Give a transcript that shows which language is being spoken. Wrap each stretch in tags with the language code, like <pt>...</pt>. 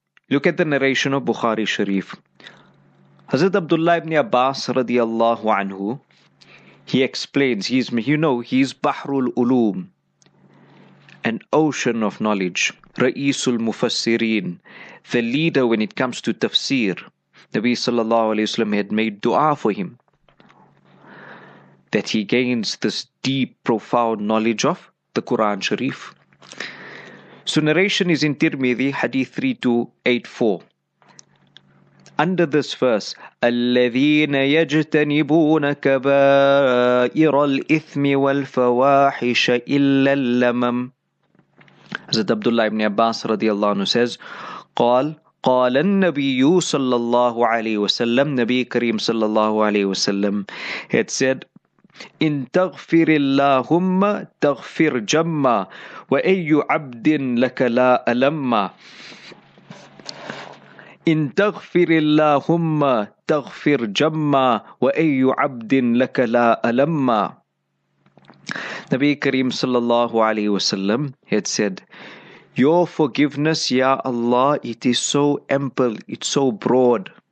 <en>Look at the narration of Bukhari Sharif. Hazrat Abdullah ibn Abbas radiallahu anhu, he explains, he's Bahrul Uloom, an ocean of knowledge, Ra'isul Mufassirin, the leader when it comes to tafsir. Nabi sallallahu alayhi wa sallam had made dua for him, that he gains this deep, profound knowledge of the Quran Sharif. So narration is in Tirmidhi, Hadith 3284. Under this verse,</en> <ar>الَّذِينَ يَجْتَنِبُونَ كَبَائِرَ الْإِثْمِ وَالْفَوَاحِشَ إِلَّا اللَّمَمْ. Hazrat Abdullah ibn Abbas radiallahu anhu says, قال النبي صلى الله عليه وسلم, نبي كريم صلى الله عليه وسلم,</ar> <en>had said,</en> <ar>إن تغفر اللهم تغفر جما وأي عبد لك لا ألم. إن تغفر اللهم تغفر جما وأي عبد لك لا ألم. نبي كريم صلى الله عليه وسلم</ar> <en>had said, Your forgiveness, Ya Allah, it is so ample, it's so broad.</en>